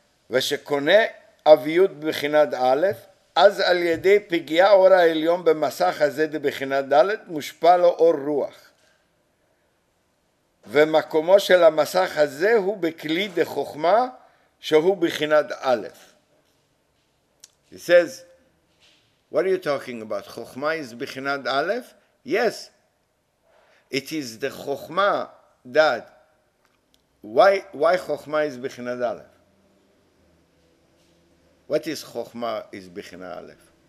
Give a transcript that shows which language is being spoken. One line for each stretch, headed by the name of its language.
Hebrew: ושקונה אביות בחינת א', אז על ידי פגיע אור העליון במסך הזה בחינה ד' מושפע לו אור רוח. ומקומו של המסך הזה הוא בכלי דחוכמה שהוא בחינת א'.
English: He says, what are you talking about? חוכמה is בחינת א'? Yes. It is the חוכמה that... Why חוכמה is בחינת א'? What is Chokhmah is Bechina Aleph?